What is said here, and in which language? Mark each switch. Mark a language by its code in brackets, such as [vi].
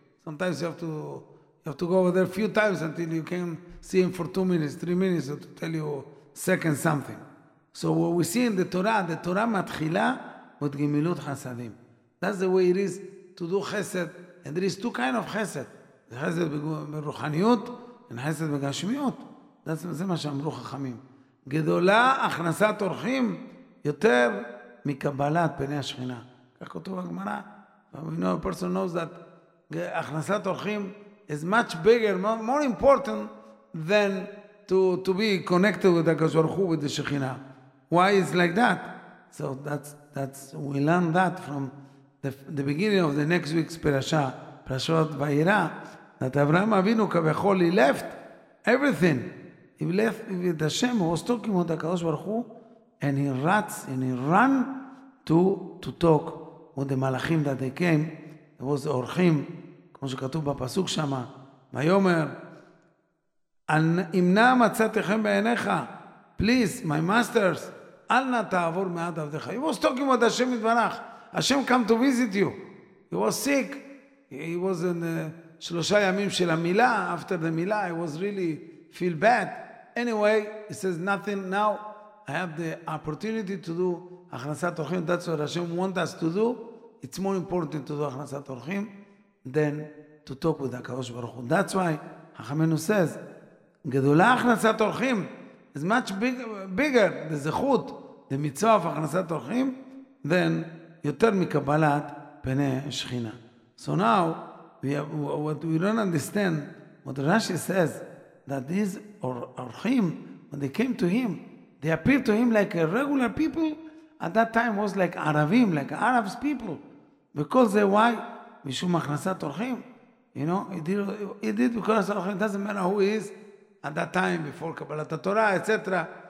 [en] Sometimes you have to go over there a few times until you can see him for 2 minutes, 3 minutes, or to tell you second something. So what we see in the Torah matchila with Gemilut Chasadim. That's the way it is to do chesed. And there is two kinds of chesed. [he] חסד ברוחניות וחסד בגשמיות. זה מה שאמרו חכמים. גדולה הכנסת אורחים יותר מקבלת פני השכינה. כך כתוב הגמרא. [en] We know a person knows that הכנסת אורחים is much bigger, more important than to be connected with the Kadosh Baruch Hu, with the Shekhinah. Why is it like that? So that's we learn that from the beginning of the next week's parasha, Parashat Vayera, that Avraham Avinu kavechol, he left everything. He left with Hashem, who was talking with the Kadosh Baruch Hu, and he rats and he ran to talk with the malachim that they came. It was the Orchim, [he] כמו שכתוב בפסוק שמה, ויומר, אם נא מצאתכם בעיניך, [en] please, my masters, [he] אל נא תעבור מעד עבדך. [en] He was talking with Hashem יתברך. Hashem come to visit you. He was sick. He was in [he] שלושה ימים של המילה, [en] after the מילה, he was really feel bad. Anyway, he says nothing. Now I have the opportunity to do הכנסת אורחים. That's what Hashem wants us to do. It's more important to do הכנסת אורחים than to talk with הקדוש ברוך הוא. [he] That's why חכמנו says, גדולה הכנסת אורחים, [en] is much bigger, [he] the זכות, the מצווה of הכנסת אורחים, than יותר מקבלת פני שכינה. [en] So now, what we don't understand, what Rashi says, that these אורחים, when they came to him, they appeared to him like a regular people, at that time was like ערבים, like Arabs people. Because they, why? [he] משום הכנסת אורחים. [en] You know, he did because of Elohim. It doesn't matter who he is at that time before Kabbalat HaTorah, etc.